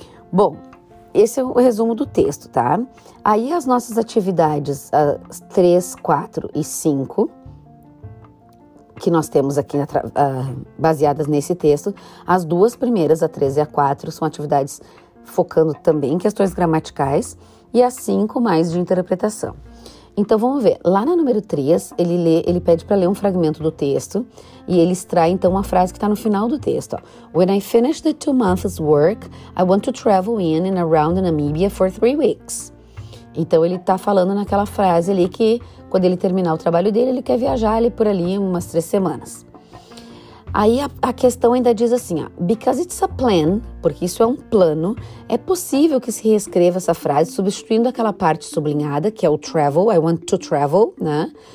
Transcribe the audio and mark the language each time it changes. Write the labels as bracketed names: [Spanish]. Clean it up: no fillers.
[Portuguese] Bom, esse é o resumo do texto, tá? Aí as nossas atividades, as 3, 4 e 5, que nós temos aqui baseadas nesse texto, as duas primeiras, a 3 e a 4, são atividades focando também em questões gramaticais, e a 5 mais de interpretação. Então, vamos ver. Lá na número 3, ele pede para ler um fragmento do texto e ele extrai, então, uma frase que está no final do texto. Ó. [English] When I finish the 2 months work, I want to travel in and around Namibia for 3 weeks. [Portuguese] Então, ele está falando naquela frase ali que, quando ele terminar o trabalho dele, ele quer viajar ali por ali umas 3 semanas. Aí, a questão ainda diz assim, ó. [English] Because it's a plan, [Portuguese] porque isso é um plano, é possível que se reescreva essa frase substituindo aquela parte sublinhada, que é o travel, [English] I want to travel, [Portuguese] né?